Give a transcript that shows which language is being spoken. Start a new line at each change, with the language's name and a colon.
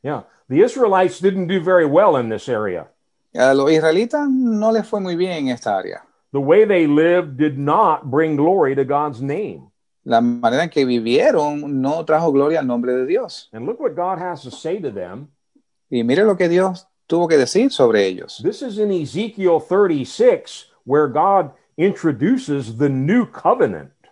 English: Yeah, the Israelites didn't do very well in this area.
Spanish: A los israelitas no les fue muy bien en esta área.
English: The way they lived did not bring glory to God's name.
Spanish: La manera en que vivieron no trajo gloria al nombre de Dios.
English: And look what God has to say to them.
Spanish: Y mire lo que Dios tuvo que decir sobre ellos.
English: This is in Ezekiel 36, where God introduces the new covenant.